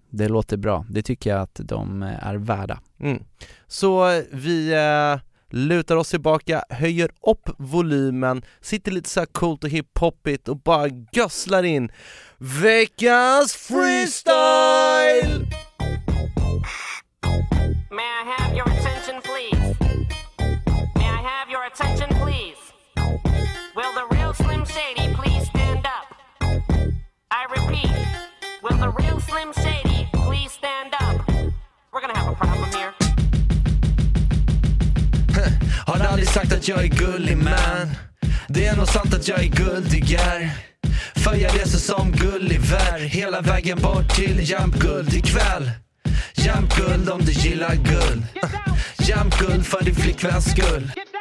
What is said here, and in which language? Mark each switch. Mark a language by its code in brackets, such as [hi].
[sv] Det låter bra, det tycker jag att de är värda. Så vi... lutar oss tillbaka, höjer upp volymen, sitter lite så här coolt och hiphopigt och bara gösslar in veckans freestyle! [en] May I have your attention please? May I have your attention please? Will the real Slim Shady please stand up? I repeat, will the real Slim Shady please stand up? We're gonna have a problem here. [sv] Har aldrig sagt att jag är gullig man. Det är nog sant att jag är guldigare. För jag reser som Gulliver hela vägen bort till Jämtguld ikväll. Jämtguld om du gillar guld. Jämtguld för din flickväns skull.